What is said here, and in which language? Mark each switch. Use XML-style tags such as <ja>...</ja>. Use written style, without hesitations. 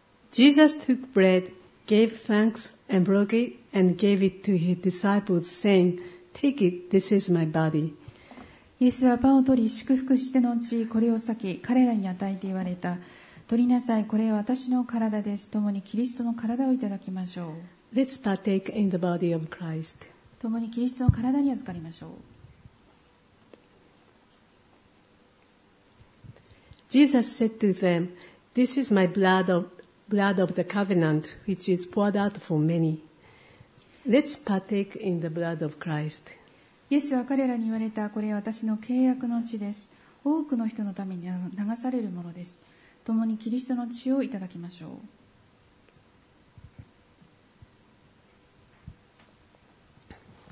<en>Jesus took bread, gave thanks, and broke it, and gave it to his disciples, saying, Take it, this is my body.</en> <ja>イエスはパンを取り、祝福して後、これを裂き、彼らに与えて言われた。取りなさい、これは私の体です。共にキリストの体をいただきましょう。</ja> <en>Let's partake in the body of Christ.</en> <ja>共にキリストの体に預かりましょう。</ja> <en>Jesus said to them, This is my blood of the covenant, which is poured out for many. Let's partake in the blood of Christ.</en> <ja>イエスは彼らに言われた、これは私の契約の血です。多くの人のために流されるものです。共にキリストの血をいただきましょう。</ja>